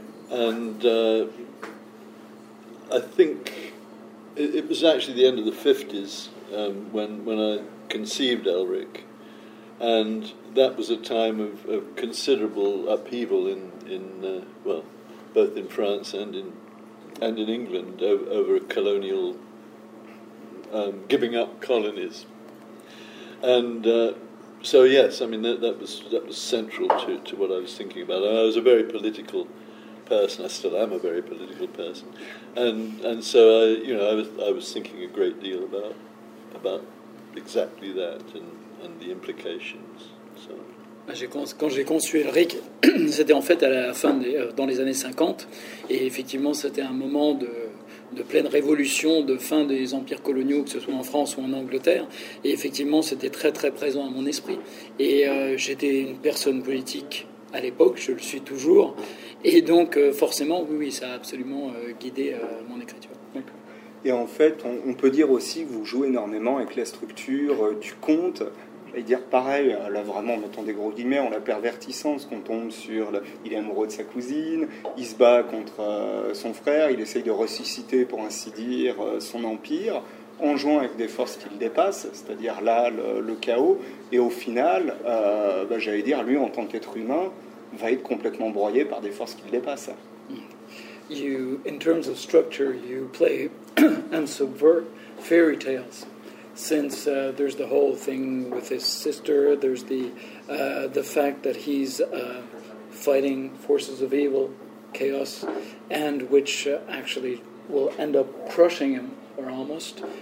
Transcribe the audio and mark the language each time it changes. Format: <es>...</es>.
<en>I think it was actually the end of the 50s when I conceived Elric, and that was a time of considerable upheaval in both in France and in England over colonial giving up colonies, and so yes, I mean that was central to what I was thinking about. I was a very political person. I still am a very political person, and so I was thinking a great deal about. Exactly that, and the implications. So.</en> <fr>Quand j'ai conçu Elric, c'était en fait à la fin dans les années 50, et effectivement c'était un moment de pleine révolution, de fin des empires coloniaux, que ce soit en France ou en Angleterre, et effectivement c'était très très présent à mon esprit. Et j'étais une personne politique à l'époque, je le suis toujours, et donc forcément, oui, ça a absolument guidé mon écriture. D'accord. Et en fait, on peut dire aussi que vous jouez énormément avec la structure du conte. Et dire pareil, là vraiment, en mettant des gros guillemets, on la pervertissant, parce qu'on tombe sur il est amoureux de sa cousine, il se bat contre son frère, il essaye de ressusciter, pour ainsi dire, son empire, en jouant avec des forces qu'il dépasse, c'est-à-dire là, le chaos. Et au final, j'allais dire, lui, en tant qu'être humain, va être complètement broyé par des forces qu'il dépasse.</fr> <en>You, in terms of structure, you play and subvert fairy tales, since there's the whole thing with his sister, there's the fact that he's fighting forces of evil, chaos, and which actually will end up crushing him or almost.</en>